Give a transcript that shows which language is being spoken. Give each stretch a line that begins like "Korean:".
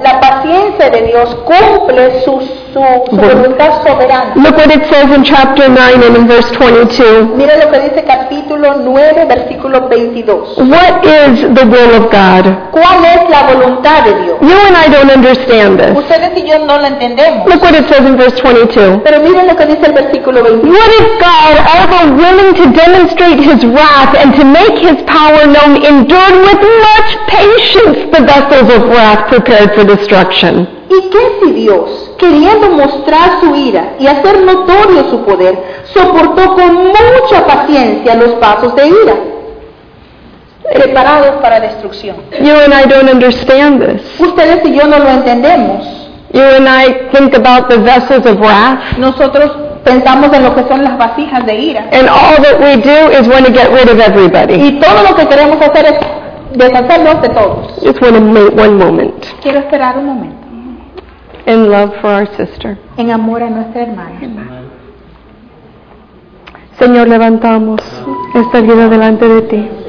Spanish: La paciencia de Dios cumple su voluntad soberana.
English: Look what it says in chapter 9 and in verse 22.
Spanish: Mira lo que dice capítulo 9, versículo 22.
English: What is the will of God?
Spanish: ¿Cuál es la voluntad de Dios?
English: You and I don't understand this.
Spanish: Ustedes y yo no lo entendemos.
English: Look what it says in verse 22.
Spanish: Pero mira lo que dice el versículo 22.
English: What if God, ever willing to demonstrate His wrath and to make His power known, endured with much patience the vessels of wrath prepared for destruction?
Spanish: ¿Y qué si Dios, queriendo mostrar su ira y hacer notorio su poder, soportó con mucha paciencia los vasos de ira, preparados para destrucción?
English: You and I don't understand this.
Spanish: Ustedes y yo no lo entendemos.
English: You and I think about the vessels of wrath.
Spanish: Nosotros pensamos en lo que son las vasijas de ira.
English: And all that we do is want to get rid of everybody.
Spanish: Y todo lo que queremos hacer es deshacernos de todos.
English: Just want to make one moment.
Spanish: Quiero esperar un momento.
English: In love for our sister.
Spanish: En amor a nuestra hermana. Amen. Señor, levantamos esta vida delante de ti.